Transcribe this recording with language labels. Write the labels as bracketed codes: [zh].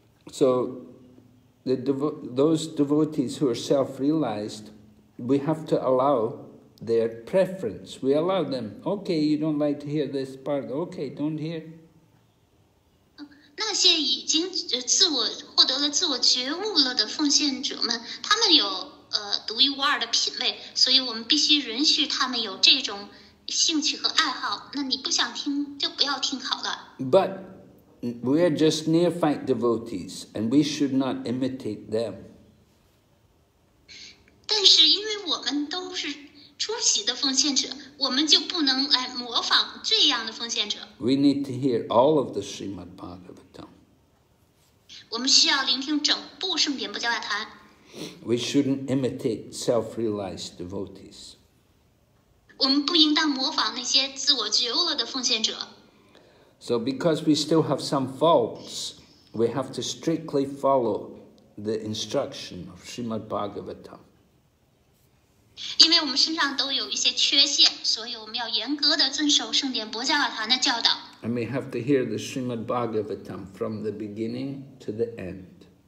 [en] So, those devotees who are self-realized, we have to allow their preference. We allow them. Okay, you don't like to hear this part. Okay, don't hear. [zh] 那些已经自我获得了自我觉悟了的奉献者们，他们有独一无二的品味，所以我们必须允许他们有这种兴趣和爱好。那你不想听就不要听好了。 [en] But we are just neophyte devotees, and we should not imitate them. [zh] 但是因为我们都是初级的奉献者，我们就不能来模仿这样的奉献者。 [en] We need to hear all of the Srimad Bhagavatam. [zh] 我们需要聆听整部圣典波加瓦坛。 [en] We shouldn't imitate self-realized devotees. [zh] 我们不应当模仿那些自我觉悟了的奉献者。 [en] So because we still have some faults, we have to strictly follow the instruction of Srimad Bhagavatam. And we have to hear the Srimad Bhagavatam from the beginning to the end.